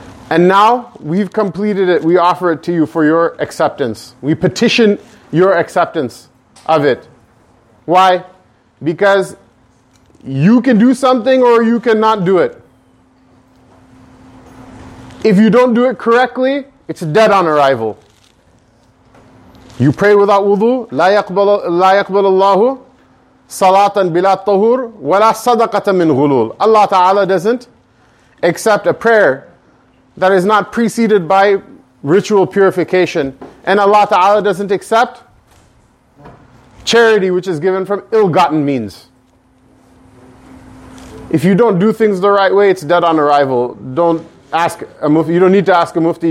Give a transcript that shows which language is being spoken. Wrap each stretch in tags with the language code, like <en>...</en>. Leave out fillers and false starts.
<en>And now, we've completed it. We offer it to you for your acceptance. We petition your acceptance of it. Why? Because you can do something or you cannot do it. If you don't do it correctly, it's dead on arrival. You pray without wudu,</en> <ar>لا يقبل الله صلاة بلا طهور ولا صدقة من غلول.</ar> <en>Allah Ta'ala doesn't accept a prayer that is not preceded by ritual purification. And Allah Ta'ala doesn't accept charity which is given from ill-gotten means. If you don't do things the right way, it's dead on arrival. Don't ask a mufti. You don't need to ask a mufti.</en>